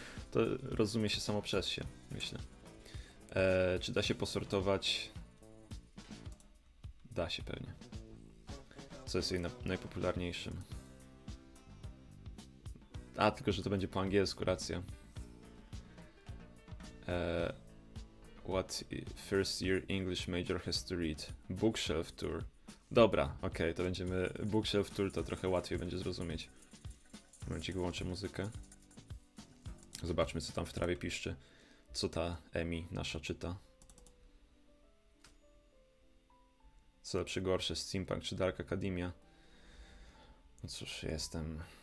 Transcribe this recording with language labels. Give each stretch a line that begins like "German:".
Polish: To rozumie się samo przez się, myślę. Czy da się posortować? Da się pewnie. Co jest jej najpopularniejszym? A, tylko że to będzie po angielsku, racja.
English: What first year English major has to read? Bookshelf tour.
Polish: Dobra, okej, okay, to będziemy Bookshelf Tour, to trochę łatwiej będzie zrozumieć. Będzie, wyłączę muzykę. Zobaczmy, co tam w trawie piszczy. Co ta Emi nasza czyta. Co lepsze, gorsze, Steampunk czy Dark Academia? No cóż, jestem...